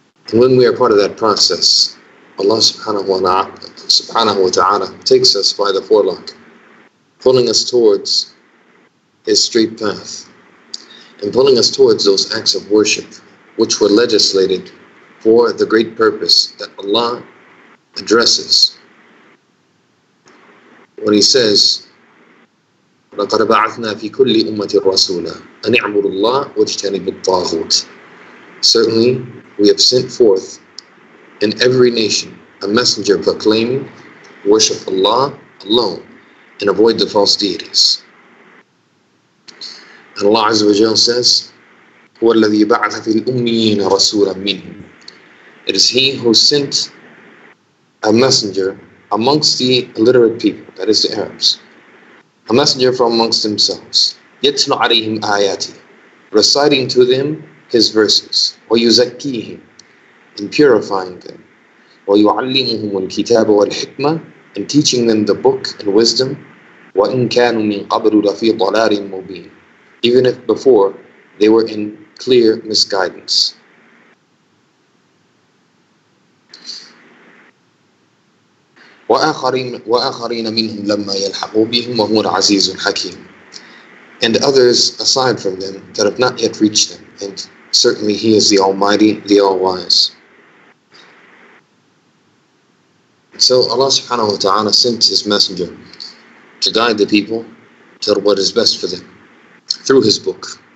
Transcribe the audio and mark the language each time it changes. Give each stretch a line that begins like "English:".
English: And when we are part of that process, Allah subhanahu wa ta'ala takes us by the forelock, pulling us towards His straight path and pulling us towards those acts of worship which were legislated for the great purpose that Allah addresses when He says,
Arabic: لَقَدْ بَعَثْنَا فِي كُلِّ أُمَّةِ الرَّسُولَ أَنِ اعْبُدُوا اللَّهَ وَاجْتَنِبُوا الطَّاغُوتَ.
English: Certainly, we have sent forth in every nation a messenger proclaiming, worship Allah alone and avoid the false deities. And Allah Azza wa Jalla says,
Arabic: هو الذي بعث في الأميين رسولا منهم.
English: It is He who sent a messenger amongst the illiterate people, that is the Arabs, a messenger from amongst themselves,
Arabic: يتلو عليهم آياتي,
English: reciting to them His verses,
Arabic: ويزكيهم,
English: and purifying them,
Arabic: ويعلمهم الكتاب والحكمة,
English: and teaching them the book and wisdom,
Arabic: وإن كانوا من قبل لفي ضلال مبين.
English: Even if before they were in clear misguidance.
Arabic: وآخرين منهم لما يلحقوا بهم وهو العزيز الحكيم.
English: And others aside from them that have not yet reached them. And certainly He is the Almighty, the All-Wise. So Allah subhanahu wa ta'ala sent His messenger to guide the people to what is best for them through His book.